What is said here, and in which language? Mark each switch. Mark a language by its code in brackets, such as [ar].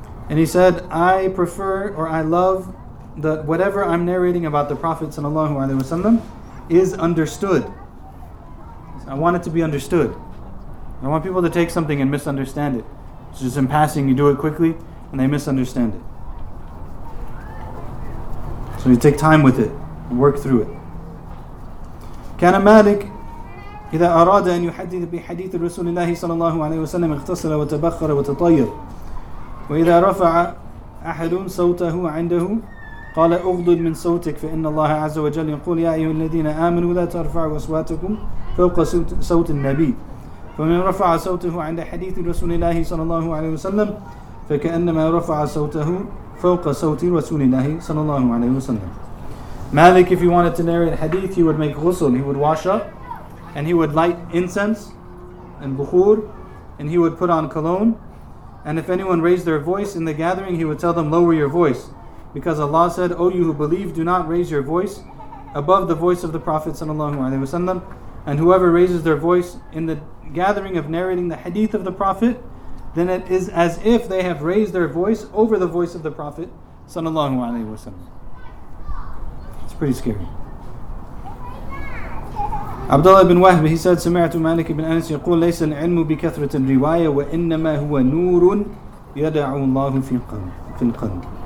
[en] And he said, I prefer or I love that whatever I'm narrating about the Prophet sallallahu alaihi wasallam is understood. I want it to be understood. I want people to take something and misunderstand it. It's just in passing, you do it quickly and they misunderstand it. So you take time with it and work through it. [ar] كان مالك إذا أراد أن يحدث بحديث رسول الله صلى الله عليه وسلم اختصر وتبخر وتطير وإذا رفع أحد صوته عنده قال أغضد من صوتك فإن الله عز وجل يقول يا أيها الذين آمنوا لا ترفعوا أصواتكم فوق صوت النبي فمن رفع صوته عند حديث رسول الله صلى الله عليه وسلم فكأنما رفع صوته فوق صوت رسول الله صلى الله عليه وسلم. [en] Malik, if he wanted to narrate hadith, he would make ghusl, he would wash up, and he would light incense and bukhur, and he would put on cologne. And if anyone raised their voice in the gathering, he would tell them, lower your voice. Because Allah said, O you who believe, do not raise your voice above the voice of the Prophet sallallahu alaihi wasallam. And whoever raises their voice in the gathering of narrating the hadith of the Prophet, then it is as if they have raised their voice over the voice of the Prophet sallallahu alaihi wasallam. It's pretty scary. Abdullah ibn Wahb, he said, [ar] سمعت مالك بن أنس يقول ليس العلم بكثرة الرواية وإنما هو نور يدع الله في القلب.